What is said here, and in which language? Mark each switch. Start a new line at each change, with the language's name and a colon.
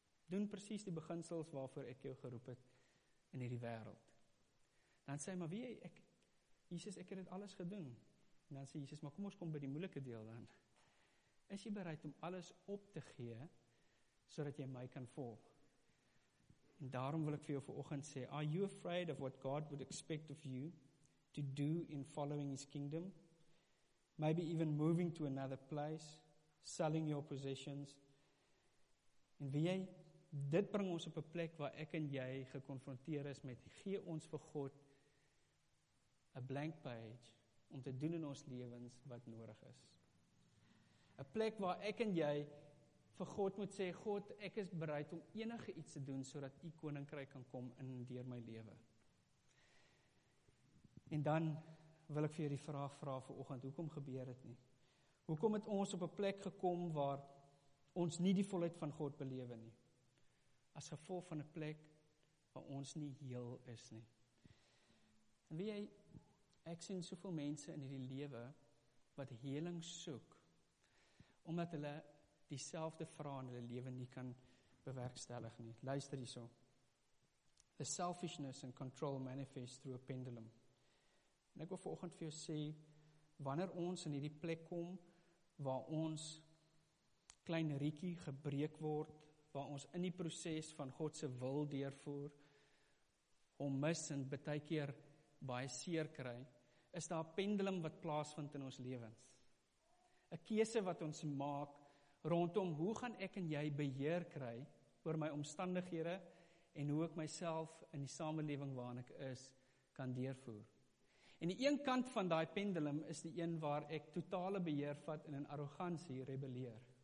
Afrikaans: Doen presies die beginsels waarvoor ek jou geroep het in hierdie wêreld. Dan sê hy, maar wie, ek, Jesus, ek het dit alles gedoen. En dan sê Jesus, maar kom ons kom by die moeilike deel dan. Is jy bereid om alles op te gee, sodat jy my kan volg? En daarom wil ek vir jou vanoggend sê,
English: are you afraid of what God would expect of you to do in following his kingdom? Maybe even moving to another place, selling your possessions.
Afrikaans: En wie jy, dit bring ons op 'n plek waar ek en jy gekonfronteer is met, gee ons vir God
English: a blank page
Afrikaans: om te doen in ons lewens wat nodig is. 'n Plek waar ek en jy vir God moet sê, God, ek is bereid om enige iets te doen sodat u koninkryk kan kom in deur my lewe. En dan wil ek vir jou die vraag vra vanoggend, hoekom gebeur dit nie? Hoekom het ons op 'n plek gekom waar ons nie die volheid van God belewe nie? As gevolg van 'n plek waar ons nie heel is nie. En weet jy, ek sien soveel mense in hierdie lewe wat heling soek, omdat hulle dieselfde vrae in hulle lewe nie kan bewerkstellig nie. Luister hierso.
English: The selfishness and control manifest through a pendulum.
Afrikaans: En ek wil vanoggend vir jou sê, wanneer ons in hierdie plek kom, waar ons klein rietjie gebreek word, waar ons in die proses van God se wil deurvoer, om mis en baie keer baie seer kry, is daar 'n pendulum wat plaasvind in ons lewens. 'n Keuse wat ons maak rondom hoe gaan ek en jy beheer kry oor my omstandighede en hoe ek myself in die samelewing waarin ek is, kan deurvoer. En die een kant van daai pendulum is die een waar ek totale beheer vat en in arrogansie rebelleer.